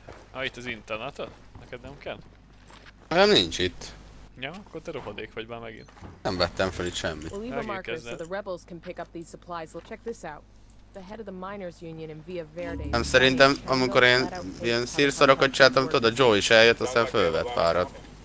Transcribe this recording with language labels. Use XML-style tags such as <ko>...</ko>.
<hu>Ah, itt az internetad? Neked nem kell? Nem, nincs itt. Ja, akkor te rohadék vagy már megint. Nem vettem fel itt semmit.</hu> <en>We'll leave a marker so the rebels can pick up these supplies. Let's check this out. The head of the miners union in Via Verde.</en> <hu>Nem, szerintem amikor én ilyen szírszarokat csináltam, tudod, a Joe is eljött, aztán fölvett párat.</hu>